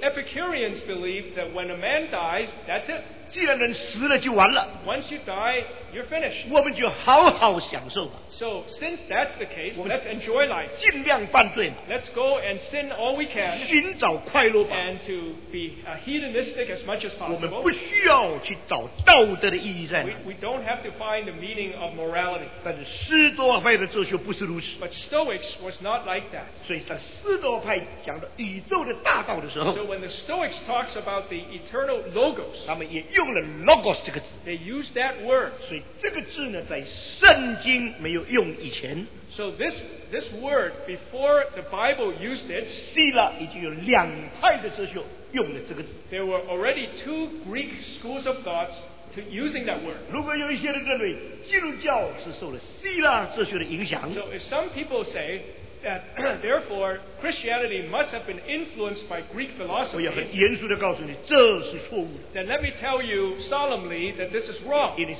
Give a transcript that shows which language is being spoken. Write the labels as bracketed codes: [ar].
[en] Epicureans believe that when a man dies, that's it. [zh] 既然人死了就完了, [en] once you die, you're finished. [zh] 我们就好好享受吧, [en] so since that's the case, let's enjoy life. [zh] 尽量犯罪吧, [en] let's go and sin all we can. [zh] 寻找快乐吧, [en] and to be hedonistic as much as possible. [zh] 我们不需要去找道德的意义在哪, [en] we don't have to find the meaning of morality. [zh] 但是斯多派的哲学不是如此, [en] but Stoics was not like that. [zh] 所以在斯多派讲的宇宙的大道的时候, [en] so when the Stoics talks about the eternal logos, [zh] 用了logos这个字, [en] they use that word. [zh] 所以这个字呢, 在圣经没有用以前, [en] so this word, before the Bible used it, [zh] 希腊已经有两派的哲学用了这个字, [en] there were already two Greek schools of thoughts to using that word. [zh] 如果有一些人认为, 基督教是受了希腊哲学的影响, [en] so if some people say that therefore Christianity must have been influenced by Greek philosophy, [zh] 我也很严肃地告诉你, [en] then let me tell you solemnly that this is wrong.